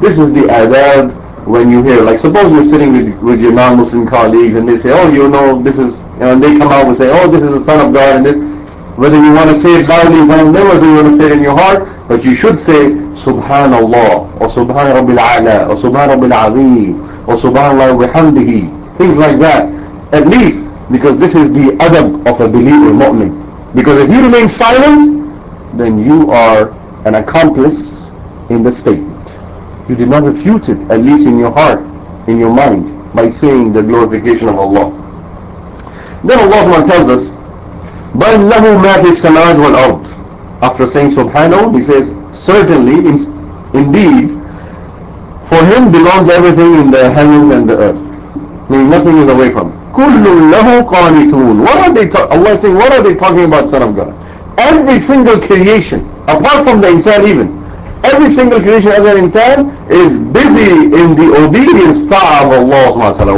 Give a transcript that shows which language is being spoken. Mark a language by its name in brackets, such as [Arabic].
[English] This is the adab. When you hear, like suppose you're sitting with your non-Muslim colleagues and they say, oh, you know, this is, you know, and they come out and say, oh, this is the son of God, and this, whether you want to say it loudly in front of them or do you want to say it in your heart, but you should say Subhanallah or Subhan Rabbil A'la or Subhan Rabbil Azeem or Subhanallah wa hamdihi, things like that, at least, because this is the adab of a believer mu'min. Because if you remain silent, then you are an accomplice in the state. You did not refute it, at least in your heart, in your mind, by saying the glorification of Allah. Then Allah tells us, [Arabic] بَلْ لَهُ مَا فِي السَّمَاوَاتِ وَالْأَرْضِ. [English] After saying Subhanahu, he says, certainly, indeed, for him belongs everything in the heavens and the earth. Meaning nothing is away from. [Arabic] كل له قانتون. [English] What are they Allah is saying, what are they talking about, Son of God? Every single creation, apart from the insan even, every single creation as an insan is busy in the obedience ta'a of Allah subhanahu wa ta'ala.